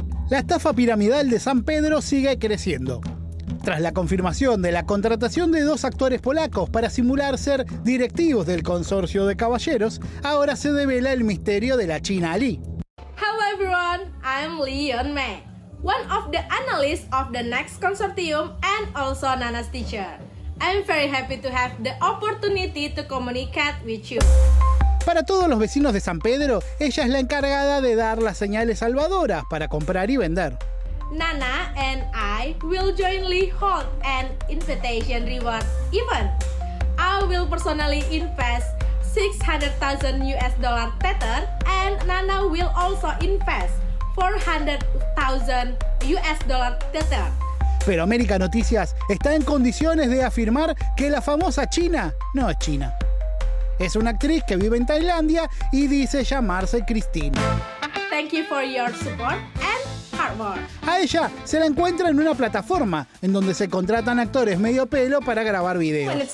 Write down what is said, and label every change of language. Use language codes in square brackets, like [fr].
[es] La estafa piramidal de San Pedro sigue creciendo. Tras la confirmación de la contratación de dos actores polacos para simular ser directivos del consorcio de caballeros, ahora se devela el misterio de la China Ali. [en] Hello everyone, I'm Leon Mei, one of the analysts of the Next Consortium and also Nana's teacher. I'm very happy to have the opportunity to communicate with you. [es] Para todos los vecinos de San Pedro, ella es la encargada de dar las señales salvadoras para comprar y vender. [en] Nana and I will jointly hold an invitation reward event. I will personally invest $600,000 tether and Nana will also invest $400,000 tether. [es] Pero América Noticias está en condiciones de afirmar que la famosa China no es China. Es una actriz que vive en Tailandia y dice llamarse Cristina. [en] Thank you for your support and hard work. [es] A ella se la encuentra en una plataforma en donde se contratan actores medio pelo para grabar videos.